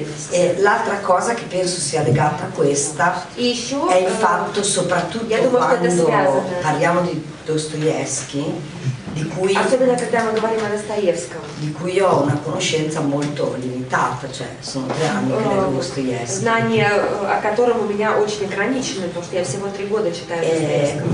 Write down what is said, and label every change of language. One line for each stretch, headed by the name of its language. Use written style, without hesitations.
Italian: E l'altra cosa che penso sia legata a questa è il fatto, soprattutto quando parliamo di Dostoevsky,
Russian: особенно когда мы говорим о Достоевском.
Italian: Di cui io ho una conoscenza molto limitata, cioè sono 3 anni che leggo Dostoevsky.
Russian: Знание о котором у меня очень ограничено, потому что я всего 3 года читаю Достоевского.